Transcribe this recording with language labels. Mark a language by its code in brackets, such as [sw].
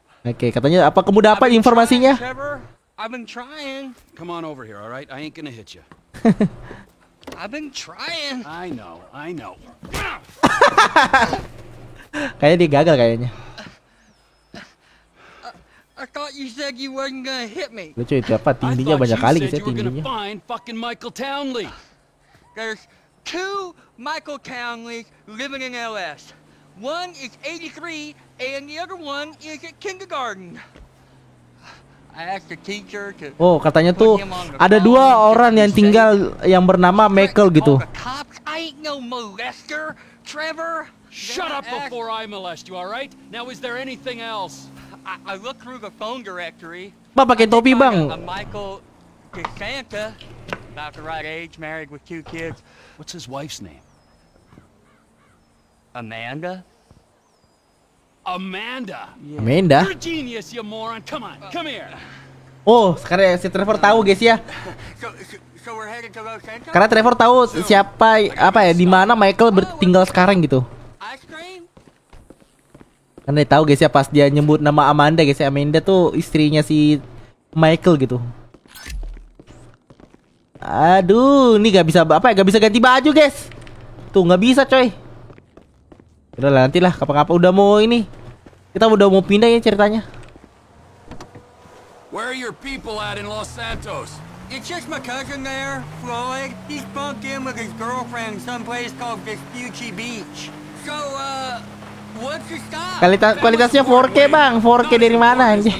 [id] Oke, katanya apa kamu dapat informasinya? [en] Come on over here, all right? I ain't gonna hit you. I've been trying. I know. [id] Kayaknya dia gagal kayaknya. [en] I thought you said you weren't gonna hit me. [id] Lucu itu apa? Tingginya banyak kali gitu ya, tingginya. [en] Find fucking Michael Townley. There's two Michael Townleys living in LS. One is 83 and the other one is at kindergarten. I asked the teacher to. [id] Oh, katanya tuh ada dua orang yang tinggal yang bernama Michael gitu. [en] Cops, I ain't no molester, Trevor. Shut up before I molest you, all right? Now is there anything else? I look through the phone directory. [id] Bang, pakai topi, bang. [en] A Michael DeSanta, about the right age, married with two kids. What's his wife's name? Amanda. Amanda. Yeah. Amanda. You're a genius, you moron. Come on, come here. [id] Oh, sekarang si Trevor tahu, guys ya. [en] So we're heading to Los Santos. [id] Karena Trevor tahu siapa apa ya, di mana Michael tinggal sekarang gitu. Anda tahu guys ya, pas dia nyebut nama Amanda guys ya, Amanda tuh istrinya si Michael gitu. Aduh, ini gak bisa apa ya, gak bisa ganti baju guys. Tuh gak bisa coy. Udah lah, nantilah kapan-kapan udah mau ini. Kita udah mau pindah ya ceritanya. [en] Where are your people at in Los Santos? It's just my cousin there, Floyd. He's bunked in with his girlfriend someplace called Vespucci Beach. So, What's your stop? [id] Kualitasnya 4K, bang. 4K dari mana anjir?